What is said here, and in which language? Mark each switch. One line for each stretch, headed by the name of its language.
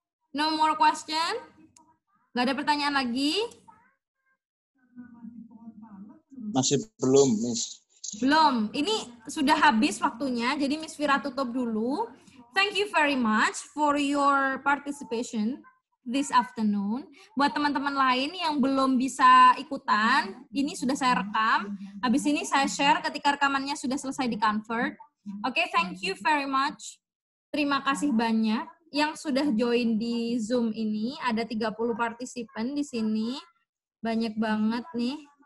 English: No more question?
Indonesian: Nggak ada pertanyaan lagi? Masih belum, Miss. Belum. Ini sudah habis waktunya, jadi Miss Fira tutup dulu.
English: Thank you very much for your participation this afternoon.
Indonesian: Buat teman-teman lain yang belum bisa ikutan, ini sudah saya rekam. Habis ini saya share ketika rekamannya sudah selesai di convert.
English: Okay, thank you very much.
Indonesian: Terima kasih banyak yang sudah join di Zoom ini. Ada 30 participant di sini. Banyak banget nih.